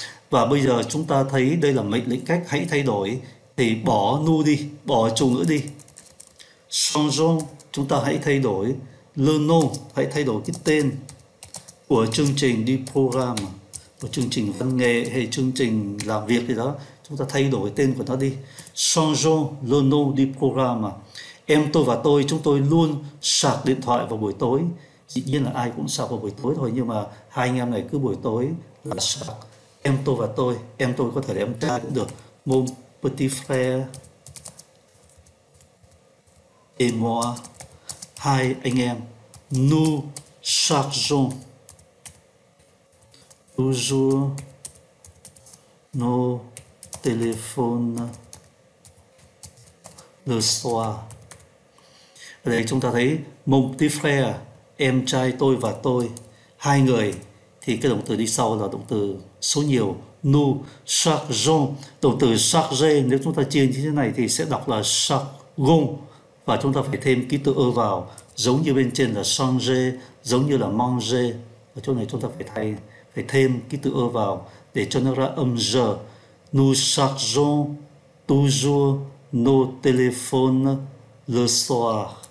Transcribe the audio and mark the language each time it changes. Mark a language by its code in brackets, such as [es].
[vi] Và bây giờ chúng ta thấy đây là mệnh lệnh cách hãy thay đổi, thì bỏ nu đi, bỏ chủ ngữ đi. Changeons, chúng ta hãy thay đổi. [fr] Le nom, [vi] hãy thay đổi cái tên của chương trình đi, program, của chương trình văn nghệ hay chương trình làm việc gì đó. Chúng ta thay đổi tên của nó đi. [fr] Changeons le nom du programme. [vi] Em tôi và tôi, chúng tôi luôn sạc điện thoại vào buổi tối. Dĩ nhiên là ai cũng sạc vào buổi tối thôi, nhưng mà hai anh em này cứ buổi tối là sạc. Em tôi và tôi, em tôi có thể là em trai cũng được. [fr] Mon petit frère et moi, [vi] hai anh em. [fr] Nous chargeons toujours nos téléphones le soir. [vi] Ở đây chúng ta thấy [fr] mon petit frère, [vi] em trai tôi và tôi, hai người, thì cái động từ đi sau là động từ số nhiều, [fr] nous chargeons. [vi] Động từ charger, nếu chúng ta chia như thế này thì sẽ đọc là chargon, và chúng ta phải thêm ký tự ơ vào, giống như bên trên là changer, giống như là manger. Ở chỗ này chúng ta phải thêm ký tự ơ vào để cho nó ra âm r. [fr] Nous chargeons toujours nos téléphones le soir.